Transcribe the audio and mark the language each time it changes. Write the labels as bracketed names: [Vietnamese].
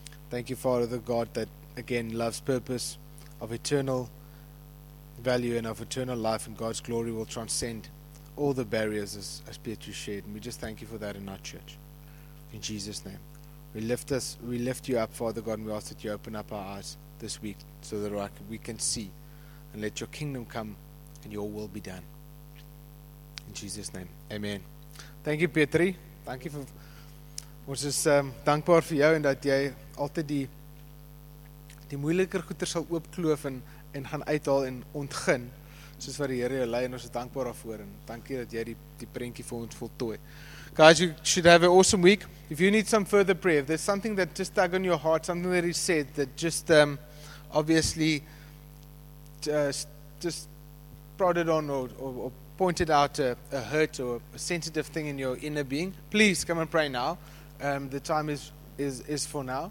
[English] Thank you, Father God, that again, love's purpose of eternal value and of eternal life and God's glory will transcend all the barriers as Peter shared. And we just thank you for that in our church. In Jesus' name. We lift you up, Father God, and we ask that you open up our eyes this week so that we can see and let your kingdom come and your will be done. In Jesus' name. Amen. Thank you, Petri. Thank you [Afrikaans] ons is dankbaar vir jou en dat jy altyd die moeiliker goeder sal oopkloof en gaan uithaal en ontgin, soos wat die Here jou lei, en ons is dankbaar daarvoor, en dankie dat jy die prentjie vir ons voltooi. [English] Guys, you should have an awesome week. If you need some further prayer, if there's something that just stuck on your heart, something that he said that just obviously just prodded on or pointed out a hurt or a sensitive thing in your inner being, please come and pray now. The time is for now.